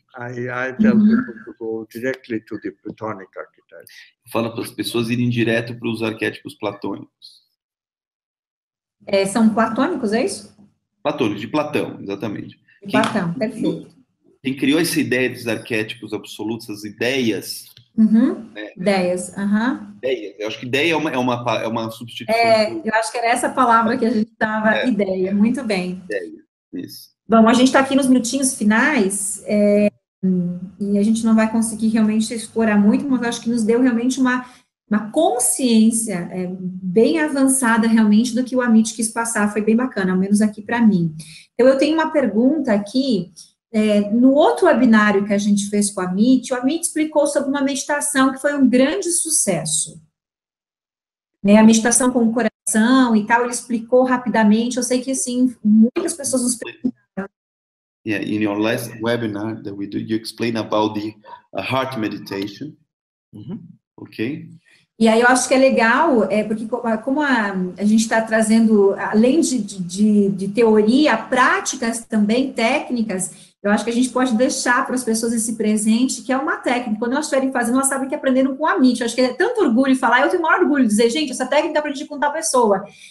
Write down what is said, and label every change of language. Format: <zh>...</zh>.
<en>I tell people to go directly to the Platonic archetypes.</en> <pt>Eu falo para as pessoas irem direto para os arquétipos platônicos. É, são platônicos, é isso? Platônicos, de Platão, exatamente. Platão, perfeito. Quem criou essa ideia dos arquétipos absolutos, as ideias... Ideias. Eu acho que ideia é uma substituição. Eu acho que era essa palavra que a gente estava, ideia, muito bem. Ideia, isso. Bom, a gente está aqui nos minutinhos finais, e a gente não vai conseguir realmente explorar muito, mas acho que nos deu realmente uma consciência bem avançada realmente do que o Amit quis passar, foi bem bacana, ao menos aqui para mim. Então, eu tenho uma pergunta aqui. No outro webinário que a gente fez com o Amit explicou sobre uma meditação que foi um grande sucesso. Né, a meditação com o coração e tal, ele explicou rapidamente. Eu sei que, assim, muitas pessoas nos perguntaram.</pt> <en>Yeah, in your last webinar that we do, you explained about the heart meditation. Uh-huh. Okay.</en> <pt>E aí eu acho que é legal, porque como a gente está trazendo, além de teoria, práticas também, técnicas, eu acho que a gente pode deixar para as pessoas esse presente, que é uma técnica. Quando elas estiverem fazendo, elas sabem que aprenderam com a Amit. Eu acho que é tanto orgulho falar, eu tenho o maior orgulho de dizer, gente, essa técnica aprendi com tal pessoa.</pt>